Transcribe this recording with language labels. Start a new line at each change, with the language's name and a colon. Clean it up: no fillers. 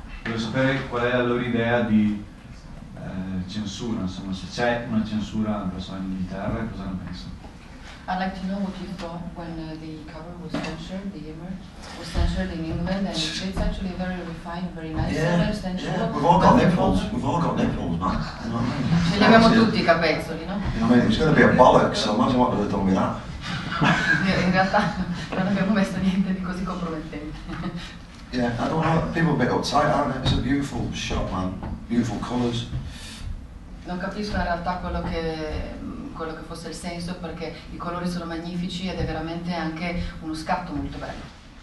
Italian: Vorrei sapere qual è la loro idea di censura, insomma, se c'è una censura verso l'Inghilterra e cosa ne pensano.
English: I'd like to know what you thought when the cover was censured, the image was censured in England, and it's actually very refined, very nice. We've all got nipples, man.
Italian: Ce li abbiamo tutti i capezzoli, no?
English: I mean, it's going to be a bollocks, so imagine what they've done with that.
Italian: In realtà non abbiamo messo niente di così compromettente.
English: Yeah, I don't know, people are a bit uptight, aren't they? It's a beautiful shot, man. Beautiful colours.
Italian: Non capisco in realtà quello che fosse il senso, perché i colori sono magnifici ed è veramente anche uno scatto molto bello.